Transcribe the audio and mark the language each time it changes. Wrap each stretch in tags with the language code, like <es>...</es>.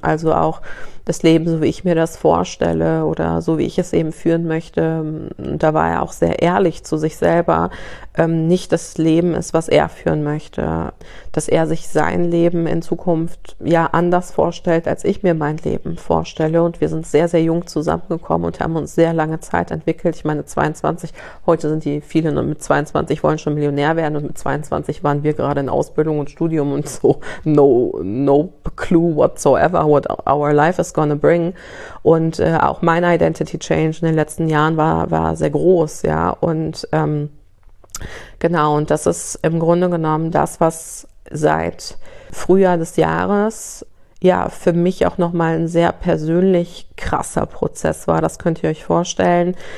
<de>Also auch das Leben, so wie ich mir das vorstelle oder so wie ich es eben führen möchte, da war er auch sehr ehrlich zu sich selber, nicht das Leben ist, was er führen möchte, dass er sich sein Leben in Zukunft ja anders vorstellt, als ich mir mein Leben vorstelle. Und wir sind sehr, sehr jung zusammengekommen und haben uns sehr lange Zeit entwickelt. Ich meine, 22, heute sind die vielen und mit 22 wollen schon Millionär werden und mit 22 waren wir gerade in Ausbildung und Studium und so.</de> <en>No clue whatsoever, what our life is gonna bring.</en> <de>Und auch meine Identity Change in den letzten Jahren war sehr groß, ja, und genau, und das ist im Grunde genommen das, was seit Frühjahr des Jahres ja für mich auch nochmal ein sehr persönlich krasser Prozess war, das könnt ihr euch vorstellen.</de>